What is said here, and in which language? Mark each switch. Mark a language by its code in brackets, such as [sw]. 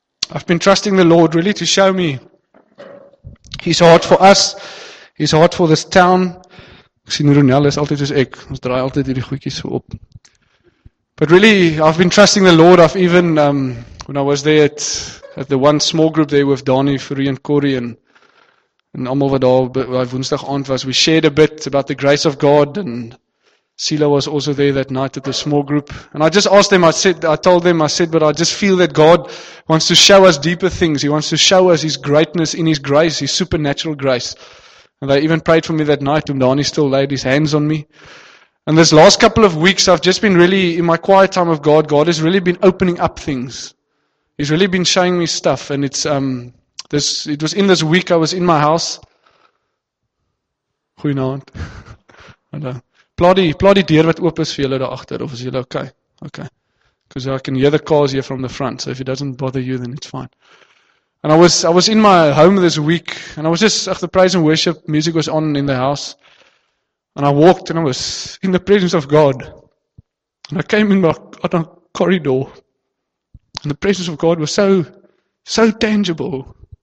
[en] I've been trusting the Lord really to show me His heart for us, His heart for this town. [af] Ek sien Ronel is altyd soos ek, ons draai altyd hierdie goedjies so op. [en] But really, I've been trusting the Lord. I've even, when I was there at the one small group there with Donnie, Furie and Corey and [af] allemaal wat daar by woensdag aand was, [en] we shared a bit about the grace of God, and Sila was also there that night at the small group. And I just asked them, I told them, but I just feel that God wants to show us deeper things. He wants to show us His greatness in His grace, His supernatural grace. And they even prayed for me that night when Donnie still laid his hands on me. And this last couple of weeks, I've just been really, in my quiet time of God, God has really been opening up things. He's really been showing me stuff. And it's it was in this week I was in my house. [af] Goeienaand. Plaat die deur wat oop is vir julle daar achter, of is julle okay? [en] Okay. Because I can hear the cars here from the front, so if it doesn't bother you, then it's fine. And I was in my home this week, and I was just, the praise and worship music was on in the house. And I walked, and I was in the presence of God. And I came in my corridor, and the presence of God was so tangible.